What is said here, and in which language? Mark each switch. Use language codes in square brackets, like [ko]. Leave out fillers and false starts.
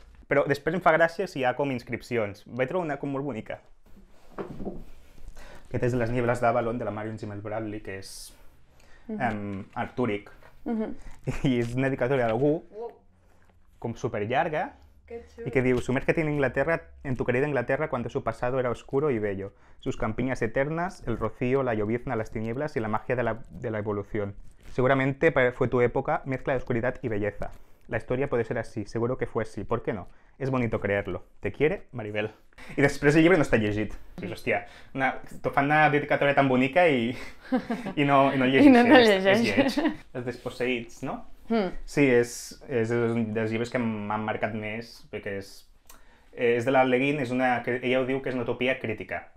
[ca] Però després em fa gràcia si hi ha com inscripcions. Vaig trobar una com molt bonica. Aquest és de Les nieblas d'Avalon, de la Marion Zimmel Bradley, que és artúric. I és una dedicatòria d'algú com superllarga, [es] Qué y que diu, sumérgete en Inglaterra, en tu querida Inglaterra, cuando su pasado era oscuro y bello. Sus campiñas eternas, el rocío, la llovizna, las tinieblas y la magia de la evolución. Seguramente fue tu época, mezcla de oscuridad y belleza. La historia puede ser así, seguro que fue así. ¿Por qué no? Es bonito creerlo. Te quiere, Maribel. [ca] I després el llibre no està llegit. Dius, hòstia, t'ho fan una dedicatòria tan bonica i no llegeixes. I no llegeixes. Els desposseïts, no? Sí, és un dels llibres que m'han marcat més, perquè és de la Le Guin, ella ho diu que és una utopia crítica.